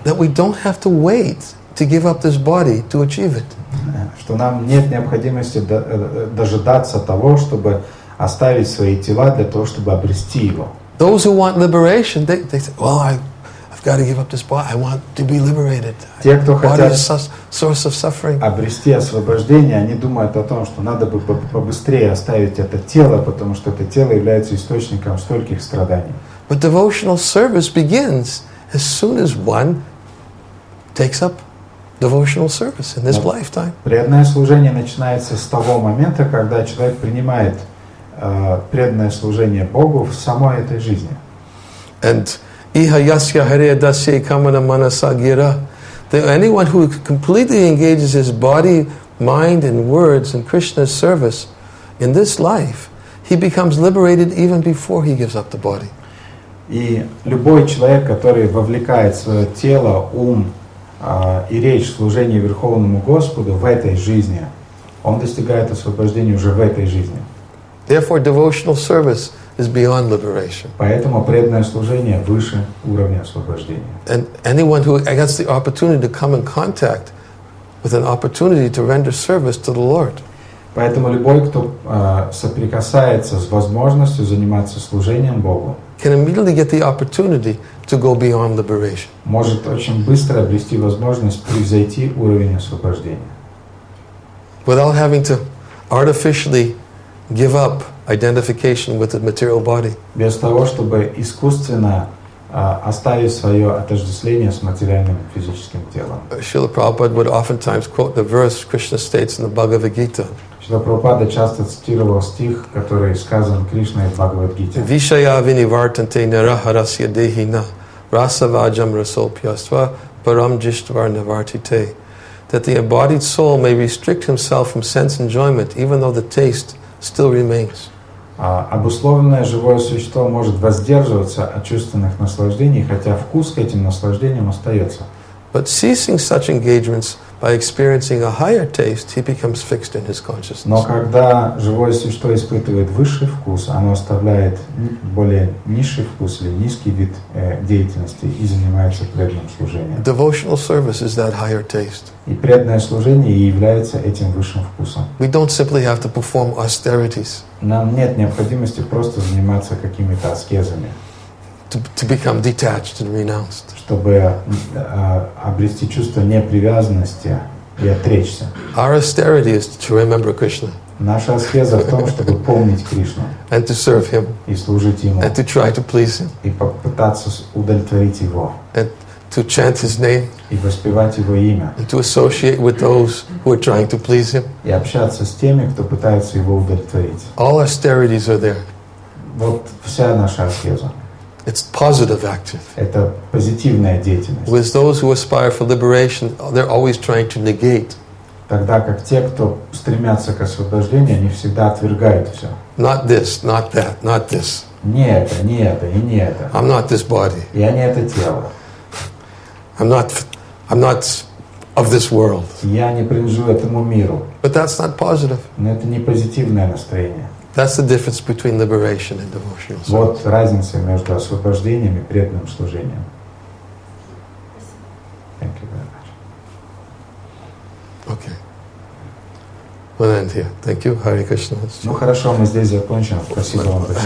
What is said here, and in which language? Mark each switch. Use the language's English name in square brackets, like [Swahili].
[English] that we don't have to wait to give up this body to achieve it. [Russian] Что нам нет необходимости дожидаться того, чтобы оставить свои тела для того, чтобы обрести его. [English] Those who want liberation, they say, well, I've got to give up this body. I want to be liberated. [Russian] Те, кто хотят [English] body is a source of suffering. [Russian] Обрести освобождение, они думают о том, что надо бы побыстрее оставить это тело, потому что это тело является источником стольких страданий. [English] But devotional service begins as soon as one takes up devotional service in this lifetime. [Russian] Преданное служение начинается с того момента, когда человек принимает преданное служение Богу в самой этой жизни. [Sanskrit] And Иха ясья харе дасе камана манаса гира. [English] Anyone who completely engages his body, mind, and words in Krishna's service in this life, he becomes liberated even before he gives up the body. [Russian] И любой человек, который вовлекает свое тело, ум и речь в служение Верховному Господу в этой жизни, он достигает освобождения уже в этой жизни. [English] Therefore, devotional service is beyond liberation. [Russian] Поэтому преданное служение выше уровня освобождения. [English] And anyone who gets the opportunity to come in contact with an opportunity to render service to the Lord. [Russian] Поэтому любой, кто соприкасается с возможностью заниматься служением Богу, [English] can immediately get the opportunity to go beyond liberation. [Russian] Может очень быстро обрести возможность превзойти уровень освобождения. [English] Without having to artificially give up identification with the material body. [Russian] Без того, чтобы искусственно оставить свое отождествление с материальным физическим телом. [English] Srila Prabhupada would oftentimes quote the verse Krishna states in the Bhagavad Gita. [Russian] Srila Prabhupada часто цитировал стих, который сказан Кришной в Бхагавад Гите. [Sanskrit] Вишая винивартанте нирахарасья дехина расаваджам расопьяства param jishtvar navartite, [English] that the embodied soul may restrict himself from sense enjoyment, even though the taste still remains. [Russian] Обусловленное живое существо может воздерживаться от чувственных наслаждений, хотя вкус к этим наслаждениям остается. [English] But ceasing such engagements by experiencing a higher taste, he becomes fixed in his consciousness. [Russian] Но когда живое существо испытывает высший вкус, оно оставляет более низший вкус или низкий вид деятельности и занимается преданным служением. [English] Devotional service is that higher taste. [Russian] И преданное служение является этим высшим вкусом. [English] We don't simply have to perform austerities. [Russian] Нам нет необходимости просто заниматься какими-то аскезами. [English] To become detached and renounced. [Russian] Чтобы обрести чувство непривязанности и отречься. [English] Our austerity is to remember Krishna. [Russian] Наша аскеза в том, чтобы помнить Кришну. [English] And to serve Him. [Russian] И служить Ему. [English] And to try to please Him. [Russian] И попытаться удовлетворить Его. [English] And to chant His name. [Russian] И воспевать Его имя. [English] And to associate with those who are trying to please Him. [Russian] И общаться с теми, кто пытается Его удовлетворить. [English] All austerities are there. [Russian] Вот вся наша аскеза. [English] It's positive active. [Russian] Это позитивная деятельность. [English] With those who aspire for liberation, they're always trying to negate. [Russian] Тогда как те, кто стремятся к освобождению, они всегда отвергают все. [English] Not this, not that, not this. [Russian] Не это, не это и не это. [English] I'm not this body. [Russian] Я не это тело. [English] I'm not of this world. [Russian] Я не принадлежу этому миру. [English] But that's not positive. [Russian] Но это не позитивное настроение. [English] That's the difference between liberation and devotional service. [Russian] Вот разница между освобождением и преданным служением. [English] Thank you very much. Okay. We'll end here. Thank you. Hare Krishna. [Russian] Ну хорошо, мы здесь закончим. Спасибо вам большое.